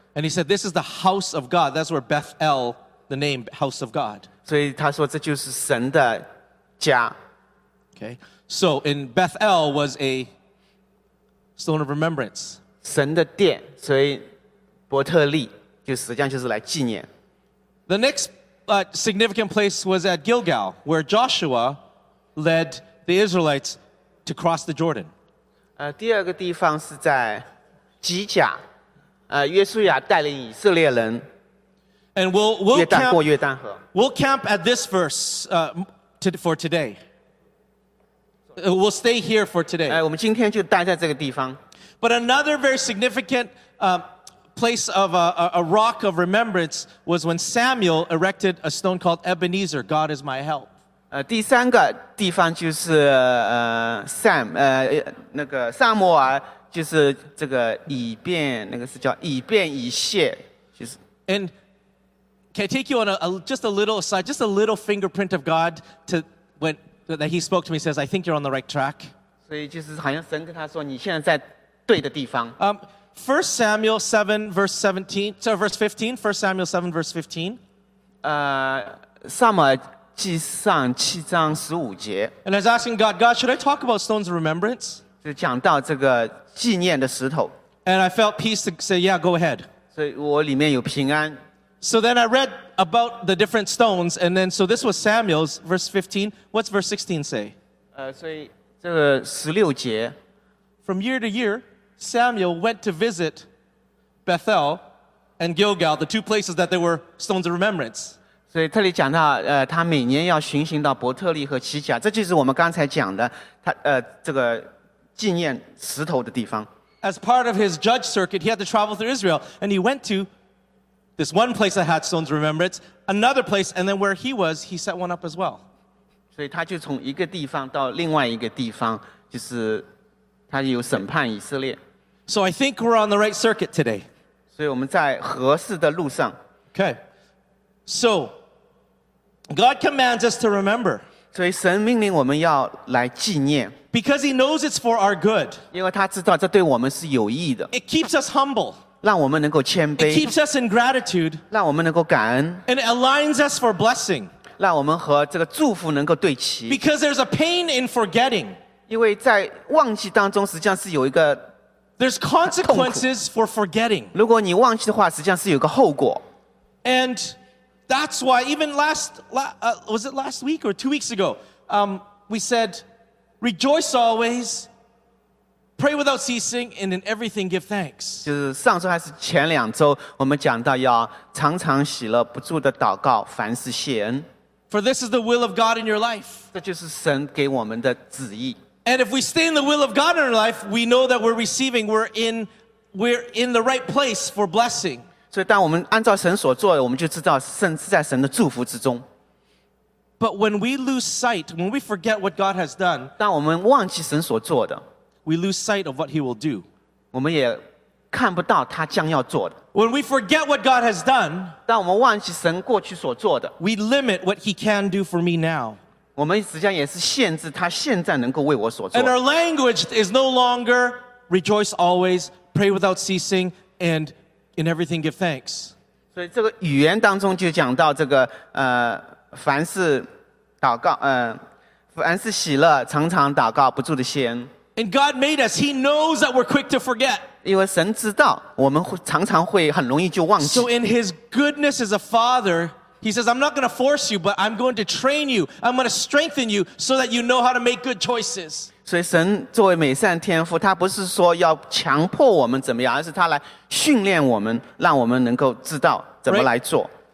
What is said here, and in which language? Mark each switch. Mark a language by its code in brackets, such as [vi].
[en] And he said, this is the house of God. That's where Beth-El, the name, house of God. [zh] 所以他说这就是神的家。 [en] Okay. So in Beth-El was a stone of remembrance. [zh] 神的殿所以伯特利就实际上就是来纪念。 [en] The next significant place was at Gilgal, where Joshua led the Israelites to cross the Jordan. [zh] 第二个地方是在基甲。约书亚带领以色列人约旦过约旦河。 [en] We'll camp at this verse for today. We'll stay here for today. [zh] 我们今天就待在这个地方。 [en] But another very significant place of a rock of remembrance was when Samuel erected a stone called Ebenezer, God is my help. [zh] 第三个地方就是撒母耳就是这个以便那个是叫以便以谢就是 [en] And can I take you on a little fingerprint of God to when that he spoke to me says I think you're on the right track [zh] 所以就是好像神跟他说你现在在对的地方 [en] First Samuel 7 verse 17 sorry verse 15 First Samuel 7 verse 15 [zh] 撒母耳记上七章十五节 [en] And I was asking God should I talk about stones of remembrance [zh] 就讲到这个纪念的石头 [en] And I felt peace to say, yeah, go ahead. [zh] 所以我里面有平安。 [en] So then I read about the different stones, and then, so this was Samuel's, verse 15. What's verse 16 say? [zh] 所以这个十六节。 [en] From year to year, Samuel went to visit Bethel and Gilgal, the two places that there were stones of remembrance. [zh] 所以这里讲到他每年要巡行到伯特利和基甲，这就是我们刚才讲的，他这个纪念石头的地方。 [en] As part of his judge circuit, he had to travel through Israel, and he went to this one place that had stones of remembrance, another place, and then where he was, he set one up as well. [zh] 所以他就从一个地方到另外一个地方，就是他有审判以色列。 [en] So I think we're on the right circuit today. [zh] 所以我们在合适的路上。 [en] Okay. So God commands us to remember. [zh] 所以神命令我们要来纪念。 [en] Because he knows it's for our good. [zh] 因为他知道这对我们是有益的。 [en] It keeps us humble. [zh] 让我们能够谦卑。 [en] It keeps us in gratitude. [zh] 让我们能够感恩。 [en] And it aligns us for blessing. [zh] 让我们和这个祝福能够对齐。 [en] Because there's a pain in forgetting. [zh] 因为在忘记当中实际上是有一个痛苦。 [en] There's consequences for forgetting. [zh] 如果你忘记的话实际上是有一个后果。 [en] And that's why even last week or 2 weeks ago, we said, rejoice always, Pray without ceasing, and in everything give thanks. [zh] 就是上周还是前两周，我们讲到要常常喜乐，不住的祷告，凡事谢恩。 [en] For this is the will of God in your life. [zh] 这就是神给我们的旨意。 [en] And if we stay in the will of God in our life, we know that we're receiving, we're in the right place for blessing. [zh] 所以当我们按照神所做的，我们就知道神是在神的祝福之中。 [en] But when we lose sight, when we forget what God has done, [zh] 当我们忘记神所做的。 [en] We lose sight of what he will do. [zh] 我们也看不到他将要做的。 [en] When we forget what God has done, [zh] 当我们忘记神过去所做的。 [en] We limit what he can do for me now. [zh] 我们实际上也是限制他现在能够为我所做的。 [en] And our language is no longer rejoice always, pray without ceasing, and in everything give thanks. [zh] 所以这个语言当中就讲到这个凡事祷告凡事喜乐常常祷告不住的谢恩。 [en] And God made us. He knows that we're quick to forget. [zh] 因为神知道我们常常会很容易就忘记。 [en] So in his goodness as a father, he says, I'm not going to force you, but I'm going to train you. I'm going to strengthen you so that you know how to make good choices. [zh] 所以神作为美善天父，他不是说要强迫我们怎么样，而是他来训练我们，让我们能够知道怎么来做。